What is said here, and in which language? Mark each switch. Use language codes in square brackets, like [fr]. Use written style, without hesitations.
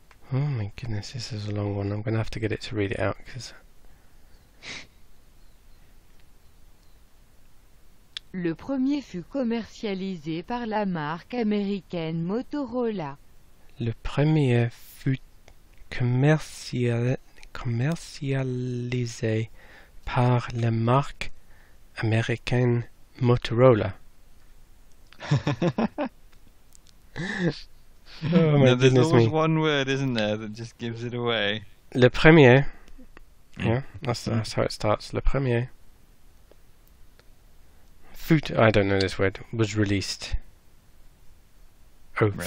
[en] Oh my goodness, this is a long one. I'm going to have to get it to read it out because... [fr] Le premier fut commercialisé par la marque américaine Motorola. Le premier fut commercialisé par la marque américaine Motorola. [en] Oh my goodness me. There's always one word, isn't there, that just gives it away. [fr] Le premier. [en] Yeah, that's how it starts. Le premier. I don't know this word, was released. Oh, right.